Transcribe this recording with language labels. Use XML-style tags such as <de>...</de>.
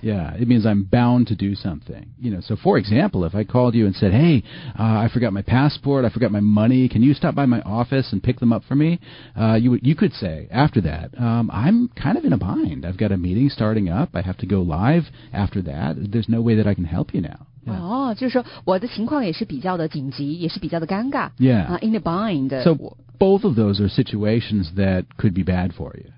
<en>Yeah, it means I'm bound to do something. You know, so for example, if I called you and said, hey, I forgot my passport, I forgot my money, can you stop by my office and pick them up for me? You could say after that, I'm kind of in a bind. I've got a meeting starting up. I have to go live after that. There's no way that I can help you now. Yeah.</en> <zh>哦，就是说我的情况也是比较的紧急，也是比较的尴尬。</zh> <en>Yeah. In a bind. So both of those are situations that could be bad for you.</en>